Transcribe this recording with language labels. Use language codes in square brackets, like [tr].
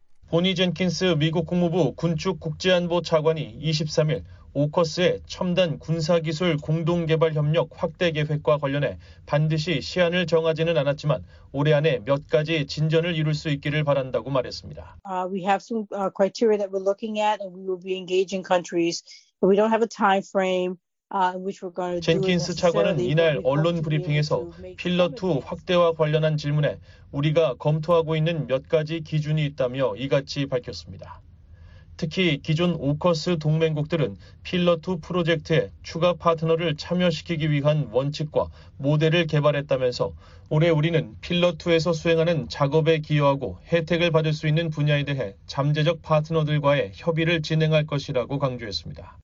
[ko] 보니 젠킨스 미국 국무부 군축 국제안보 차관이 23일 오커스의 첨단 군사기술 공동개발협력 확대 계획과 관련해 반드시 시한을 정하지는 않았지만 올해 안에 몇 가지 진전을 이룰 수 있기를 바란다고 말했습니다. [en] We have some criteria that we're looking at and we will be engaging countries, but we don't have a time frame which we're going to do [ko] 젠킨스 차관은 이날 언론 브리핑에서 필러2 확대와 관련한 질문에 우리가 검토하고 있는 몇 가지 기준이 있다며 이같이 밝혔습니다. 특히 기존 오커스 동맹국들은 필러2 프로젝트에 추가 파트너를 참여시키기 위한 원칙과 모델을 개발했다면서 올해 우리는 필러2에서 수행하는 작업에 기여하고 혜택을 받을 수 있는 분야에 대해 잠재적 파트너들과의 협의를 진행할 것이라고 강조했습니다.